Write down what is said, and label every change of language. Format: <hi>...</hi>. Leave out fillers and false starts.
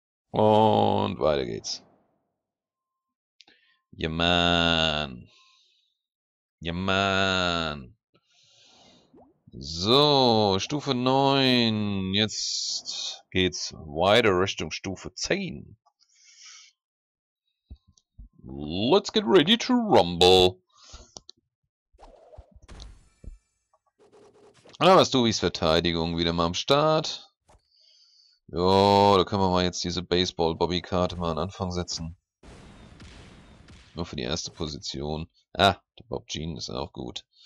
<de>Und weiter geht's. Ja, Mann. Ja, Mann. So, Stufe 9. Jetzt geht's weiter Richtung Stufe 10.</de> <en>Let's get ready to rumble.</en> <de>Was du, wie's Verteidigung wieder mal am Start. Jo, da können wir mal jetzt diese Baseball-Bobby-Karte mal an Anfang setzen. Nur für die erste Position. Ah, der Bob Jean ist auch gut.</de>